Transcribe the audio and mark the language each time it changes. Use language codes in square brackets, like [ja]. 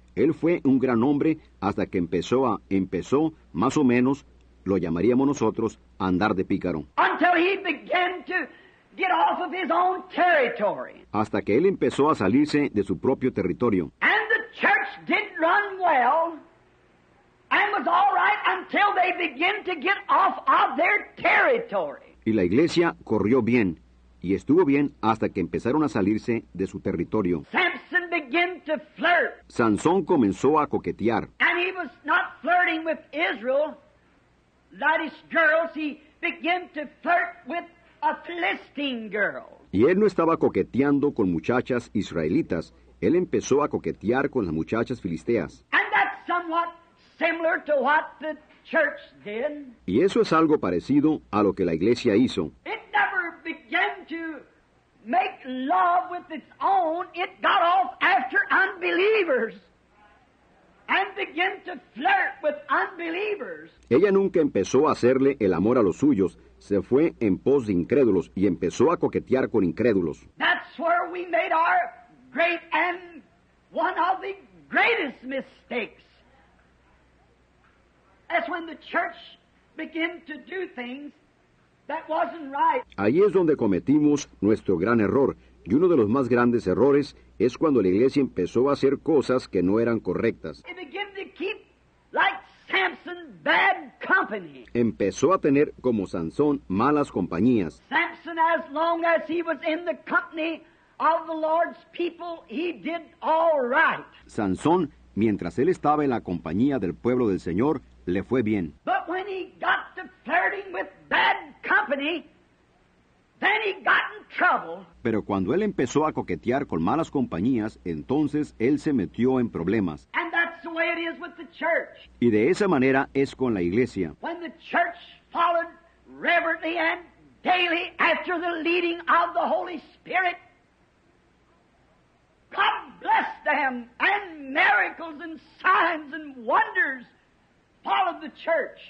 [es] Él fue un gran hombre hasta que empezó más o menos, lo llamaríamos nosotros, andar de pícaro. [en] Until he began to get off of his own territory. [es] Hasta que él empezó a salirse de su propio territorio. [en] And the church didn't run well and was all right until they began to get off of their territory. [es] Y la iglesia corrió bien y estuvo bien hasta que empezaron a salirse de su territorio. [en] Samson began to flirt. [es] Sansón comenzó a coquetear. [en] And he was not flirting with Israel. That is girls, he began to flirt with a Philistine girl. [es] Y él no estaba coqueteando con muchachas israelitas. Él empezó a coquetear con las muchachas filisteas. [en] And that's somewhat similar to what the church did. [es] Y eso es algo parecido a lo que la iglesia hizo. [en] It never began to make love with its own. It got off after unbelievers. And begin to flirt with unbelievers. [es] Ella nunca empezó a hacerle el amor a los suyos. Se fue en pos de incrédulos y empezó a coquetear con incrédulos. [en] That's where we made our great and one of the greatest mistakes is when the church begins to do things that wasn't right. [es] Ahí es donde cometimos nuestro gran error, y uno de los más grandes errores es cuando la iglesia empezó a hacer cosas que no eran correctas. [en] It began to keep, like Samson, bad company. [es] Empezó a tener como Sansón malas compañías. [en] Samson, as long as he was in the company of the Lord's people, he did all right. [es] Sansón, mientras él estaba en la compañía del pueblo del Señor, le fue bien. [en] But when he got to flirting with bad company, then he got in trouble. [es] Pero cuando él empezó a coquetear con malas compañías, entonces él se metió en problemas. [en] And that's the way it is with the church. [es] Y de esa manera es con la iglesia. [en] When the church followed reverently and daily after the leading of the Holy Spirit, God bless them, and miracles and signs and wonders followed the church.